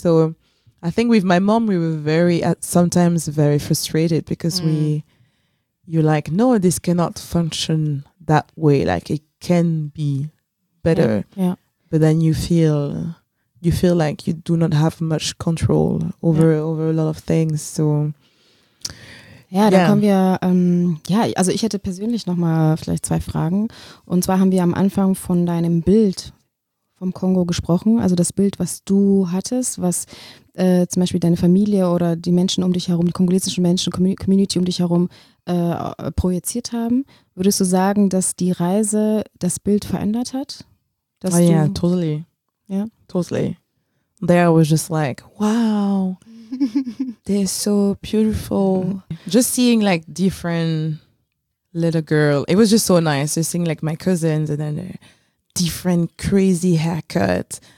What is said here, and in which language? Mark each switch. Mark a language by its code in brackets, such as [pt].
[en] So I think with my mom, we were very, sometimes very frustrated, because you're like, no, this cannot function that way. Like, it can be better. Yeah. But then you feel like you do not have much control over a lot of things. So, [de] Da kommen wir, also ich hätte persönlich nochmal vielleicht zwei Fragen. Und zwar haben wir am Anfang von deinem Bild vom Kongo gesprochen, also das Bild, was du hattest, was zum Beispiel deine Familie oder die Menschen um dich herum, die kongolesischen Menschen, Community um dich herum projiziert haben. Würdest du sagen, dass die Reise das Bild verändert hat? [en] Oh ja, yeah, totally. Ja? Yeah? Totally. There I was just like, wow, they're so beautiful. Just seeing like different little girl, it was just so nice. Just seeing like my cousins and then different crazy haircut.